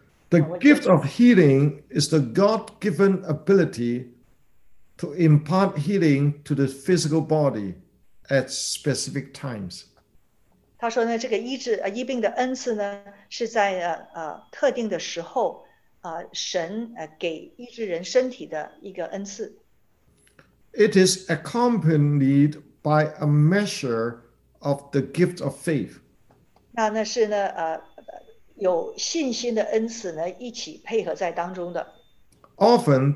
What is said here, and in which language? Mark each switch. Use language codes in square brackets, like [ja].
[en] The gift of healing is the God-given ability to impart healing to the physical body at specific times. [zh] 他说呢，这个医治医病的恩赐呢，是在特定的时候，神给医治人身体的一个恩赐。 [en] It is accompanied by a measure of the gift of faith. [zh] 那是呢。有信心的恩赐呢，一起配合在当中的。 [en] Often